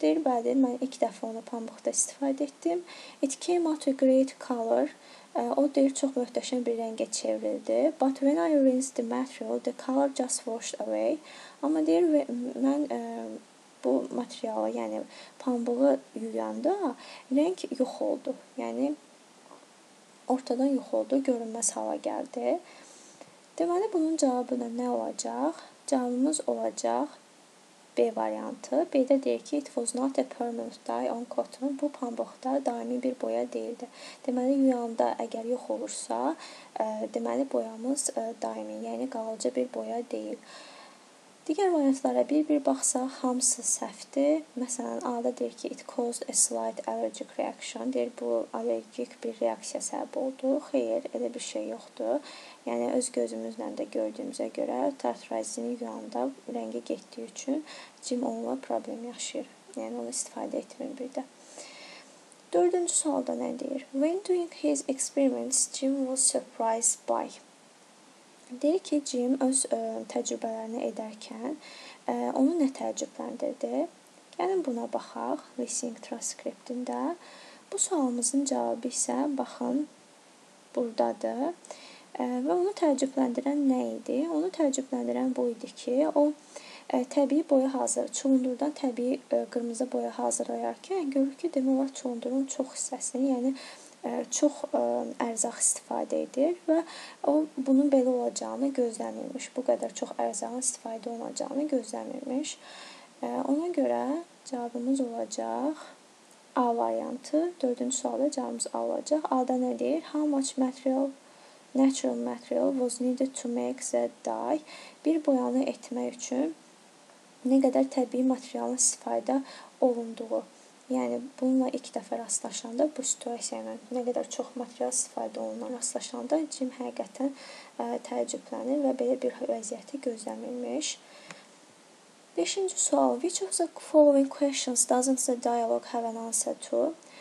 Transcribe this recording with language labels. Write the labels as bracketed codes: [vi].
[az] Deyir, bəli, mən ilk dəfə onu pambıqda istifadə etdim. [en] It came out a great color. [az] O deyir, çox möhtəşəm bir rəngə çevrildi. [en] But when I rinsed the material, the color just washed away. [az] Amma deyir, mən bu materialı, yəni pambığı yuyanda rəng yox oldu. Yəni, ortadan yox oldu, görünməz hala gəldi. Deməli, bunun cavabı da nə olacaq? Cavabımız olacaq B variantı. B-də deyir ki, [en] it was not a permanent dye on cotton. [az] Bu pambıqda daimi bir boya deyildi. Deməli, yuyanda əgər yox olursa, deməli, boyamız daimi, yəni qalıcı bir boya deyil. Digər variantlara bir-bir baxsaq, hamısı səhvdir. Məsələn, A-da deyir ki, [en] it caused a slight allergic reaction. [az] Deyir, bu allergik bir reaksiya səbəb oldu. Xeyr, elə bir şey yoxdur. Yəni, öz gözümüzlə də gördüyümüzə görə, tartrazinin yuyanda rəngi getdiyi üçün Jim onunla problem yaşayır. Yəni, onu istifadə etmir bir də. Dördüncü sualda nə deyir? [en] When doing his experiments, Jim was surprised by. [az] Deyir ki, Jim öz təcrübələrini edərkən onu nə təəccübləndirdi? Gəlin buna baxaq, listening transkriptində. Bu sualımızın cavabı isə, baxın, buradadır. Və onu təəccübləndirən nə idi? Onu təəccübləndirən bu idi ki, o təbii boya hazır, çulundurdan təbii qırmızı boya hazırlayarkən görür ki, demək olar çulundurun çox hissəsini, yəni çox ərzaq istifadə edir və o bunun belə olacağını gözləmirmiş. Bu qədər çox ərzağın istifadə olacağını gözləmirmiş. Ona görə cavabımız olacaq A variantı. Dördüncü sualda cavabımız A olacaq. A-da nə deyir? [en] How much material, natural material was needed to make the dye? [az] Bir boyanı etmək üçün nə qədər təbii materialın istifadə olunduğu. Yəni, bununla ilk dəfə rastlaşanda, bu situasiyayla nə qədər çox material istifadə olunan rastlaşanda Jim həqiqətən təəccüblənir və belə bir vəziyyəti gözləmirmiş. Beşinci sual. [en] Which of the following questions doesn't the dialogue have an answer to?